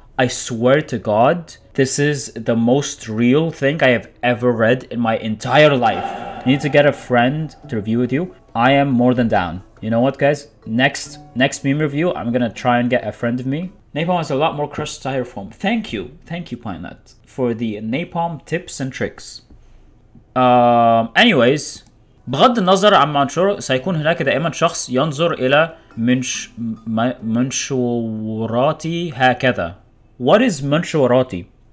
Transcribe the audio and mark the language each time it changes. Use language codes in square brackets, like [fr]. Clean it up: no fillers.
[en] I swear to God, this is the most real thing I have ever read in my entire life. You need to get a friend to review with you. I am more than down. You know what, guys? Next meme review, I'm gonna try and get a friend of me. Napalm has a lot more crushed styrofoam. Thank you. Thank you, Pine Nut, for the napalm tips and tricks. Anyways. [ar] بغض النظر عن منشور سيكون هناك دائما شخص ينظر إلى منشوراتي هكذا. [en] What is منشوراتي?